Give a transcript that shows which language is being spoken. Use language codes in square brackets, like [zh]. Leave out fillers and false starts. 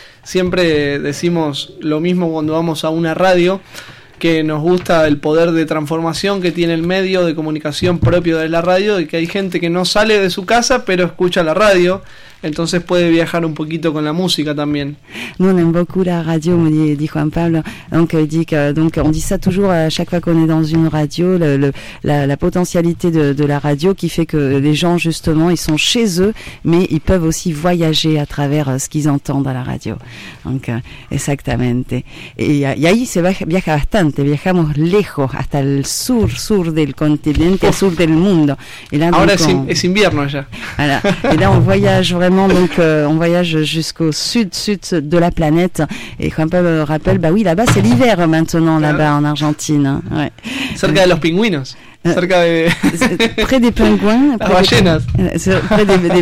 [es] Siempre decimos lo mismo cuando vamos a una radio. Que nos gusta el poder de transformación que tiene el medio de comunicación propio de la radio y que hay gente que no sale de su casa pero escucha la radio, entonces puede viajar un poquito con la música también. [fr] Nous on aime beaucoup la radio, me dit Juan Pablo. Donc il dit que donc on dit ça toujours à chaque fois qu'on est dans une radio, la potentialité de la radio qui fait que les gens justement ils sont chez eux mais ils peuvent aussi voyager à travers ce qu'ils entendent à la radio. Donc [es] exactamente. Y ahí se viaja bastante, viajamos lejos hasta el sur del continente, sur del mundo. Ahora es invierno allá. [fr] Voilà. Et là on voyage vraiment vraiment, donc on voyage jusqu'au sud-sud de la planète. Et quand même, rappelle, bah oui, là-bas, c'est l'hiver maintenant, là-bas, en Argentine. Ouais. [es] Cerca de los pingüinos. [fr] Près des pingouins, près des